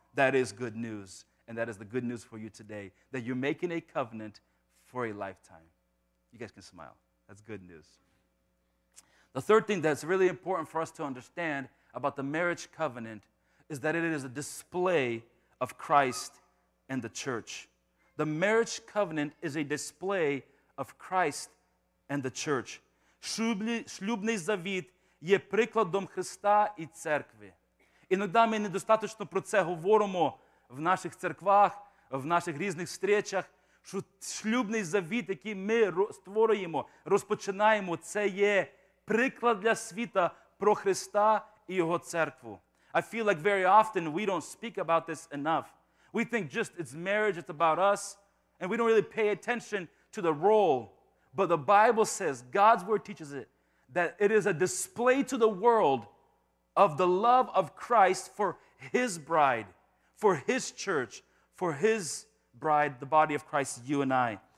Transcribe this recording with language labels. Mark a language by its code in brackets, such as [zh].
[en] That is good news, and that is the good news for you today, that you're making a covenant for a lifetime. You guys can smile. That's good news. The third thing that's really important for us to understand about the marriage covenant is that it is a display of Christ and the church. The marriage covenant is a display of Christ and the church. [uk] Шлюбний завіт є прикладом Христа і церкви. Іноді ми недостатньо про це говоримо в наших церквах, в наших різних зустрічах, що шлюбний завіт, який ми створюємо, розпочинаємо, це є приклад для світа про Христа і Його церкву. [en] I feel like very often we don't speak about this enough. We think just it's marriage, it's about us, and we don't really pay attention to the role. But the Bible says, God's word teaches it, that it is a display to the world of the love of Christ for His bride, for His church, for His bride, the body of Christ, you and I.